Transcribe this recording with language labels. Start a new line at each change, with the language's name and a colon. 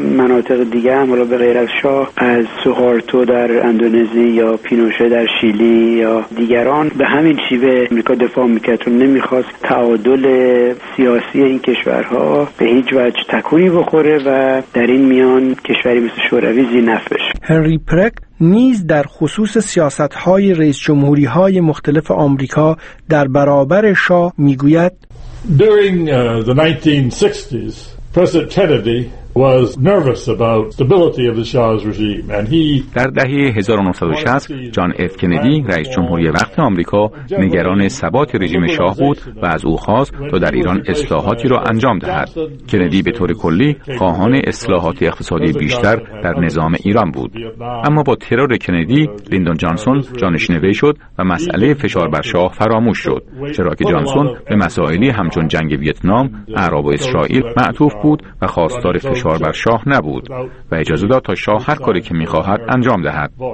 Persian: مناطق دیگه هم، حالا به غیر از شاه، از سوهارتو در اندونزی یا پینوشه در شیلی یا دیگران به همین شیوه امریکا دفاع میکرد و نمیخواست تعادل سیاسی این کشورها به هیچ وجه تکونی بخوره و در این میان کشوری مثل شوروی ذی‌نفع بشه. هنری پرک نیز در خصوص سیاست‌های رئیس جمهوری‌های مختلف آمریکا در برابر شاه میگوید
English: During the 1960s, President Kennedy was nervous about stability of the Shah's regime and he
Persian: در دهه 1960 جان اف کندی رئیس جمهوری وقت آمریکا نگران ثبات رژیم شاه بود و از او خواست تا در ایران اصلاحاتی را انجام دهد. کندی به طور کلی خواهان اصلاحات اقتصادی بیشتر در نظام ایران بود، اما با ترور کندی لیندون جانسون جانشین وی شد و مسئله فشار بر شاه فراموش شد، چرا که جانسون به مسائلی همچون جنگ ویتنام، عرب و اسرائیل معطوف بود و خواستار فشار بر شاه نبود و اجازه داد تا شاه هر کاری که می‌خواهد انجام دهد.